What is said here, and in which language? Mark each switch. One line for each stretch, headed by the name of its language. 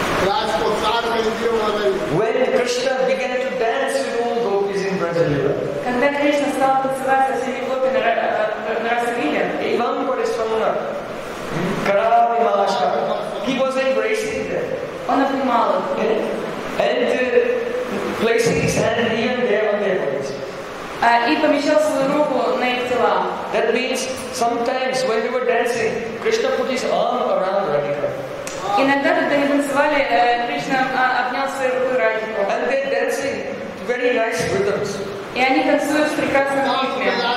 English: When Krishna began to dance with all gopis in Brajavila,
Russian: когда Кришна стал танцевать со всеми гопи на Расалиле, Иван Парисвана, Крави Маша,
English: he was embracing them.
Russian: Он обнимал их.
English: And placing his hand here and there on their bodies.
Russian: И помещал свою руку на их тела.
English: That means sometimes when we were dancing, Krishna put his arm around Radhika.
Russian: Иногда, когда они танцевали, Кришна обнял свою руку Радхику.
English: And they're dancing very nice rhythms.
Russian: И они танцуют в прекрасном ритме.